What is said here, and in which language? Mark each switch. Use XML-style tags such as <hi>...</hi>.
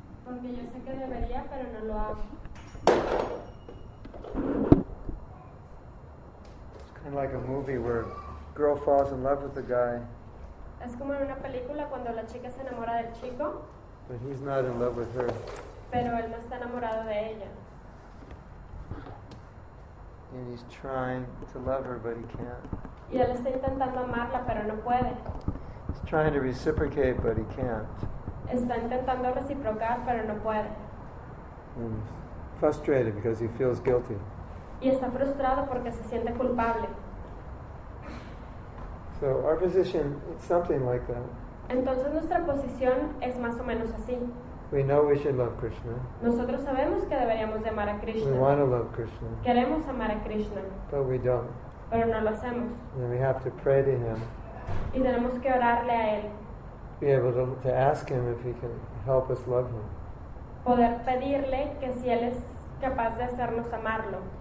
<es>Aunque yo sé que debería, pero no lo hago.</es> <en>It's kind of like a movie where a girl falls in love with a guy.</en> <es>Es como en una película cuando la chica se enamora del chico.</es> <en>But he's not in love with her.</en> <es>Pero él no está enamorado de ella.</es> <en>And he's trying to love her, but he can't.</en> <es>Y él está intentando amarla, pero no puede.</es> <en>He's trying to reciprocate, but he can't.</en> <es>Está intentando reciprocar, pero no puede.</es> <en>And frustrated because he feels guilty.</en> <es>Y está frustrado porque se siente culpable.</es> <en>So our position, it's something like that.</en> <es>Entonces nuestra posición es más o menos así.</es> <en>We know we should love Krishna.</en> <es>Nosotros sabemos que deberíamos de amar a Krishna.</es> <en>We want to love Krishna.</en> <es>Queremos amar a Krishna.</es> <en>But we don't.</en> <es>Pero no lo hacemos.</es> <en>And we have to pray to him.</en> <es>Y tenemos que orarle a él.</es> <en>Be able to ask him if he can help us love him.</en> <es>Poder pedirle que si él es capaz de hacernos amarlo.</es>